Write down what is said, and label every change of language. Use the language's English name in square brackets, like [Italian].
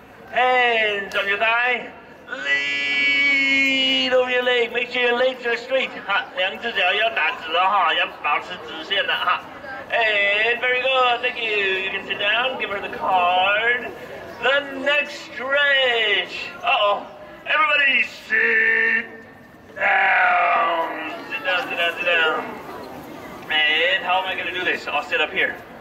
[English] Hands on your thigh, lean over your leg. Make sure your legs are straight. [Chinese] 哈，两只脚要打直了哈，要保持直线的哈。 [English] And very good, thank you. You can sit down, give her the card. The next stretch. Uh-oh, everybody sit down. Sit down, sit down, sit down. And how am I gonna do this? I'll sit up here.